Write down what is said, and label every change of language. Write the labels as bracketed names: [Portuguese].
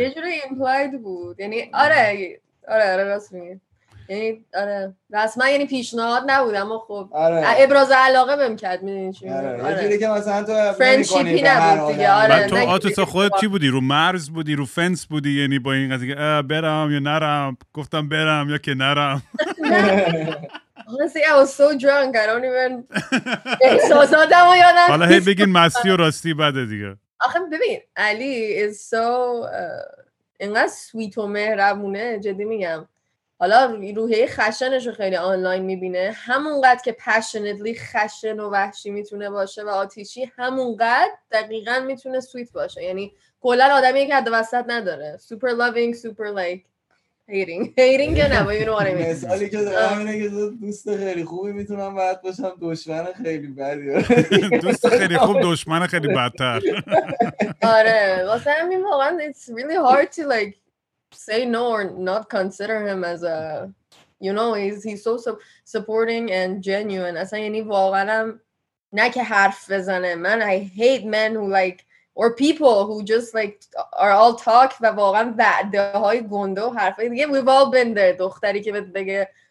[Persian] یه جوری ایمپلاید بود، یعنی آره راست میگی، یعنی آره رسما یعنی پیشنهاد نبود اما خب آره. ابراز علاقه بهم کرد، میدونی چی میگم؟ آره اینجوری که مثلا تو فرندشیپی نبود دیگه. آره تو آتوسا خودت چی بودی؟ رو مرز بودی؟ رو فنس بودی؟ یعنی با این قضیه برم یا نرم؟ گفتم برم یا که نرم. [English] Honestly, I was so drunk I don't even [Persian] احساساتمو یادم. حالا هی بگین مستی و راستی بده دیگه. آخه ببین علی [English] is so [Persian] انقدر سویت و مهربونه، جدی میگم. حالا روحیه خشنش رو خیلی آنلاین میبینه، همونقدر که پشنتلی خشن و وحشی میتونه باشه و آتیشی، همونقدر دقیقا میتونه سویت باشه. یعنی کلن آدمی که حد وسط نداره، سوپر لوینگ، سوپر لایک هیتینگ که نبا یه نواره میتونه. مثالی که دارم اینه که دوست خیلی خوبی میتونم باید باشم، دشمن خیلی بدی. دوست خیلی خوب، دشمن خیلی بدتر. آره واسه همین واقعا [English] it's really hard to like say no or not consider him as a, you know, he's so supporting and genuine. [Persian] اصلا یعنی واقعا نه که حرف بزنه. [English] من I hate men who like, or people who just like are all talk [Persian] و واقعا وعده های گنده و حرف های دیگه. [English] We've all been there. [Persian] دختری که بهت بگه